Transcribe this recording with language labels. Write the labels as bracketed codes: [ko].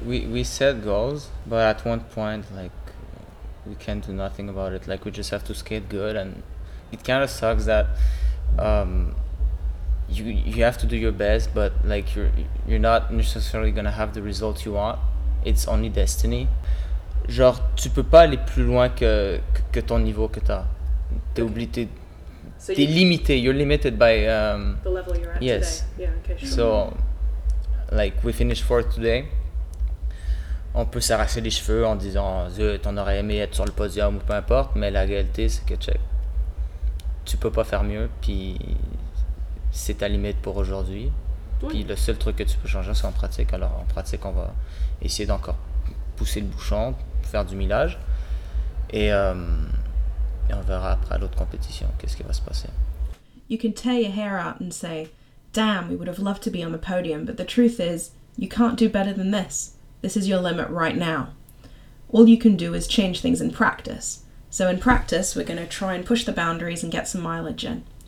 [en] We set goals, but at one point, like, we can't do nothing about it. Like, we just have to skate good, and it kind of sucks that you have to do your best, but like you're not necessarily gonna have the results you want. It's only destiny. [fr] Genre, tu peux pas aller plus loin que ton niveau que t'as. T'es oublié. T'es, [en] so [fr] t'es limité. [en] You're limited by the level you're at. Yes. Today. Yeah. Okay. Sure. So, like, we finished fourth today. [fr] On peut s'arracher les cheveux en disant zut, on aurait aimé être sur le podium ou peu importe, mais la réalité c'est que check, tu peux pas faire mieux, puis c'est ta limite pour aujourd'hui. Oui. Puis le seul truc que tu peux changer c'est en pratique. Alors en pratique on va essayer d'encore pousser le bouchon, faire du millage, et on verra après à l'autre compétition qu'est-ce qui va se passer. [en] You can tear your hair out and say, damn, we would have loved to be on the podium, but the truth is, you can't do better than this. This is your limit right now. All you can do is change things in practice. So in practice, we're going to try and push the boundaries and get some mileage in.